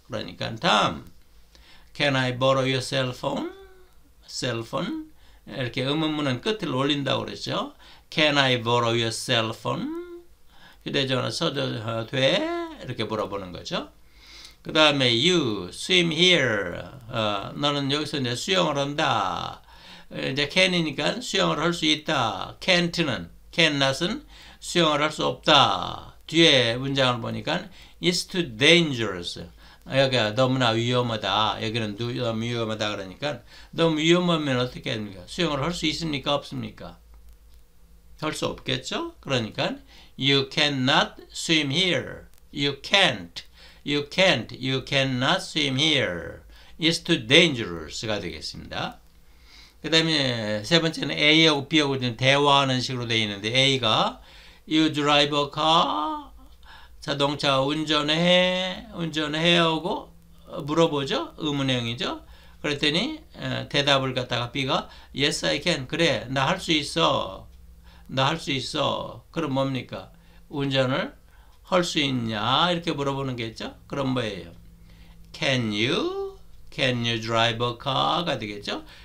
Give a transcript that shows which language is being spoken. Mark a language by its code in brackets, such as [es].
[ko] 그러니까 다음 [en] can I borrow your cell phone [ko] 이렇게 의문문은 끝을 올린다고 그랬죠. [en] Can I borrow your cell phone? [ko] 휴대전화 써도 돼? 이렇게 물어보는 거죠. 그 다음에 [en] you swim here. [ko] 너는 여기서 이제 수영을 한다. 이제 can이니까 수영을 할수 있다. can not은 수영을 할수 없다. 뒤에 문장을 보니까 is too dangerous. 여기가 너무나 위험하다. 여기는 너무 위험하다. 그러니까 너무 위험하면 어떻게 됩니까? 수영을 할수 있습니까? 없습니까? 할수 없겠죠? [en] 그러니까 You cannot swim here. You can't. You can't. You cannot swim here. It's too dangerous가 되겠습니다. [ko] 그 다음에 세 번째는 A하고 B하고 대화하는 식으로 되어 있는데 A가 [en] You drive a car. [ko] 자동차 운전해. 운전해. 하고 물어보죠. 의문형이죠. 그랬더니 대답을 갖다가 B가 [en] Yes, I can. [ko] 그래. 나할수 있어. 나할수 있어. 그럼 뭡니까? 운전을 할수 있냐? 이렇게 물어보는 게 있죠? 그럼 뭐예요? [en] Can you drive a car가 [ko] 되겠죠?